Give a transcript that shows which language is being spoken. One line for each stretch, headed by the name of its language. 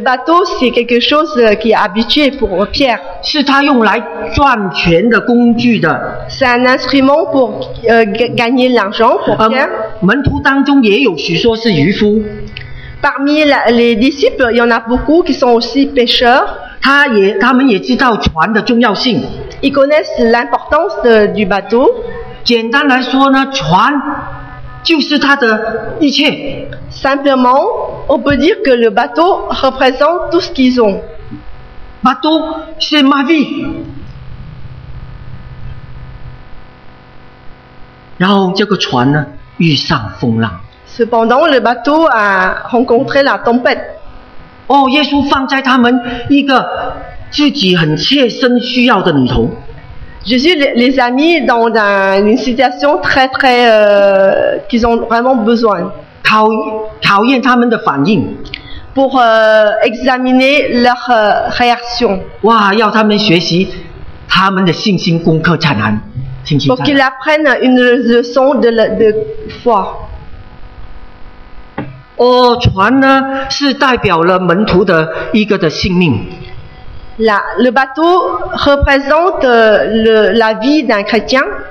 French: bateau c'est quelque chose qui est habitué pour Pierre.
Chinese: 是他用来赚钱的工具的。
French: C'est un instrument pour gagner l'argent pour Pierre.
Chinese: 门徒当中也有许多是渔夫。
French: Parmi les disciples, il y en a beaucoup qui sont aussi pêcheurs.
Chinese: 他们也知道船的重要性。
French: Ils connaissent l'importance du bateau.
Chinese: 简单来说呢，船就是他的一切。
French: Simplement, on peut dire que le bateau représente tout ce qu'ils ont. Bateau, c'est ma vie.
Chinese: 然后这个船呢，遇上风浪。
French: Cependant, le bateau a rencontré la tempête.
Chinese: 哦，耶稣放在他们一个自己很切身需要的里头。
French: Jésus les a mis dans une situation très très qu'ils ont vraiment besoin.
Chinese: 考验他们的反应.
French: Pour examiner leur réaction.
Chinese: 哇，要他们学习他们的信心功课才难。
French: Pour qu'ils apprennent une leçon de foi.
Chinese: 哦，船呢是代表了门徒的一个的性命。
French: Le bateau représente la vie d'un chrétien.